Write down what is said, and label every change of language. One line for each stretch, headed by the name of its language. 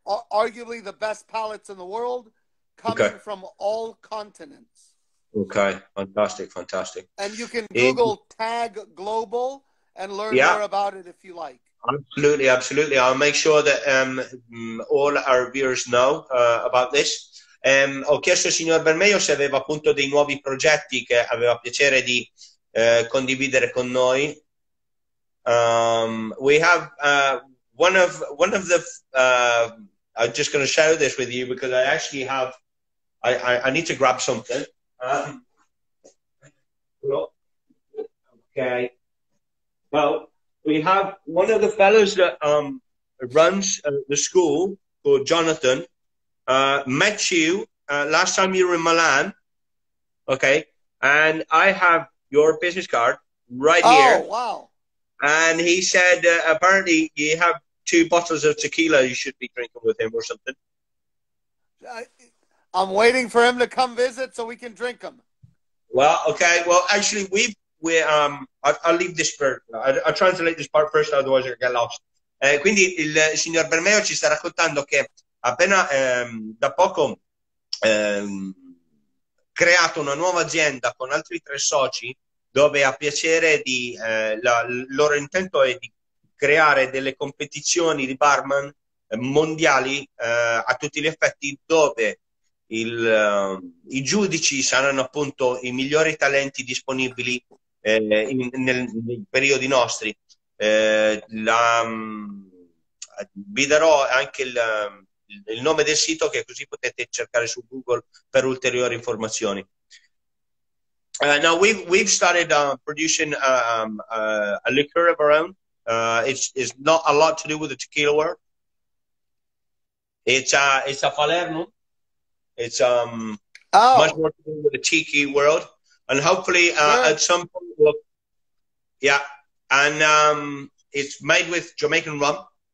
English: Arguably the best palates in the world coming from all continents. Okay, fantastic, fantastic. And you can Google Tag Global and learn more about it if you like. Absolutely, absolutely. I'll make sure that all our viewers know about this.
Italian: Ho chiesto al signor Bermejo se aveva appunto dei nuovi progetti che aveva piacere di condividere con noi.
English: We have I'm just going to share this with you because I actually have, I need to grab something. We have one of the fellows that runs the school called Jonathan. Met you last time you were in Milan, and I have your business card right here. Oh, wow. And he said apparently you have two bottles of tequila you should be drinking with him or something. I'm waiting for him to come visit so we can drink them. Well, okay. Well, actually, I'll leave this part. I'll translate this part first, otherwise I'll get lost.
Italian: Quindi il signor Bermejo ci sta raccontando che appena da poco creato una nuova azienda con altri tre soci, dove ha piacere di il loro intento è di creare delle competizioni di barman mondiali a tutti gli effetti, dove i giudici saranno appunto i migliori talenti disponibili nei periodi nostri. Vi darò anche il nome del sito, che così potete cercare su Google per ulteriori informazioni.
English: No, we've started producing a liqueur of our own. It's not a lot to do with the tequila world. It's a Palermo. It's much more to do with the tiki world, and hopefully at some point, it's made with Jamaican rum.